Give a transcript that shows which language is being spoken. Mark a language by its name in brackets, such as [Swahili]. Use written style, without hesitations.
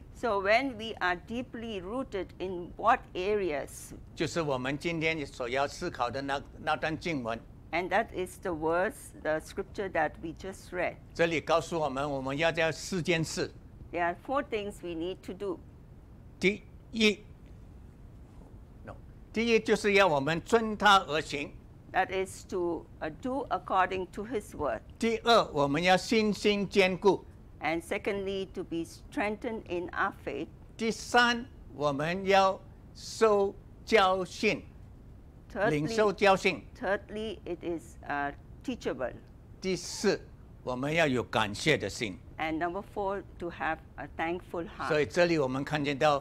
[English] So when we are deeply rooted in what areas? [Chinese] 就是我们今天所要思考的那段经文。 [English] And that is the words, the scripture that we just read. [Chinese] 这里告诉我们我们要做四件事。 [English] There are four things we need to do. [Chinese] 第一就是要我们遵他而行。 [English] That is to do according to his word. [Chinese] 第二我们要信心坚固。 [English] And secondly, to be strengthened in our faith. [Chinese] 第三，我们要受教训，领受教训。 [English] Thirdly, it is teachable. [Chinese] 第四，我们要有感谢的心。 [English] And number four, to have a thankful heart.